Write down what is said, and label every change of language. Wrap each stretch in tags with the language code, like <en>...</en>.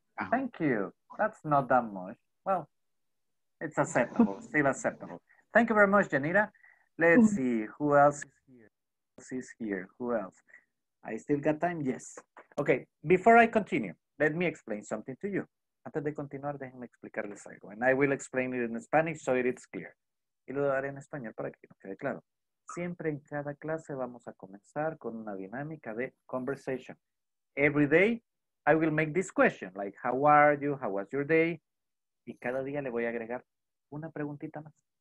<en>Thank you. That's not that much. Well, it's acceptable. Still acceptable. Thank you very much, Yanira. Let's see. Who else is here? Who else? I still got time? Yes. Okay. Before I continue, let me explain something to you.</en> <es>Antes de continuar, déjenme explicarles algo.</es> <en>And I will explain it in Spanish so it's clear.</en> <es>Y lo daré en español para que quede claro. Siempre en cada clase vamos a comenzar con una dinámica de conversation.</es> <en>Every day I will make this question, like, how are you? How was your day?</en> <es>Y cada día le voy a agregar una preguntita más.</es>